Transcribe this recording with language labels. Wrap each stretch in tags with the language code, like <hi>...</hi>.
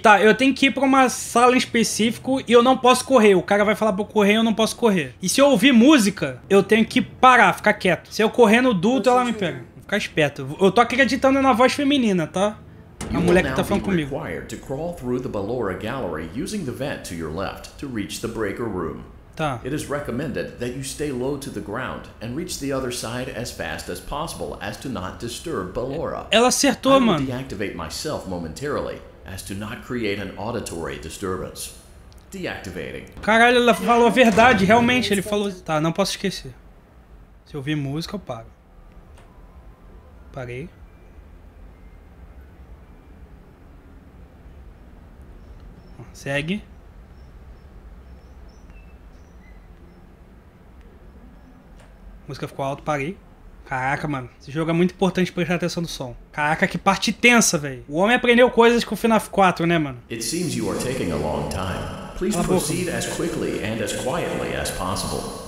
<pt>Tá, eu tenho que ir pra uma sala em específico e eu não posso correr. O cara vai falar pra eu correr e eu não posso correr. E se eu ouvir música, eu tenho que parar, ficar quieto. Se eu correr no duto, ela me pega. Ficar esperto. Eu tô acreditando na voz feminina, tá? A mulher que tá falando comigo.</pt> <en>You will now be required to crawl through the Ballora Gallery using the vent to your left to reach the breaker room.</en> <pt>Tá.</pt> <en>It is recommended that you stay low to the ground and reach the other side as fast as possible as to not disturb Ballora.</en> <pt>Ela acertou, mano.</pt> <en>I will deactivate myself momentarily as to not create an auditory disturbance. Deactivating.</en> <pt>Caralho, ela falou a verdade, realmente, ele falou... Tá, não posso esquecer. Se eu ouvir música, eu paro. Parei. Segue. A música ficou alta, parei. Caraca, mano. Esse jogo é muito importante prestar atenção no som. Caraca, que parte tensa, velho. O homem aprendeu coisas com o FNAF 4, né, mano?</pt> <en>It seems you are taking a long time. Please proceed as quickly and as quietly as possible.</en>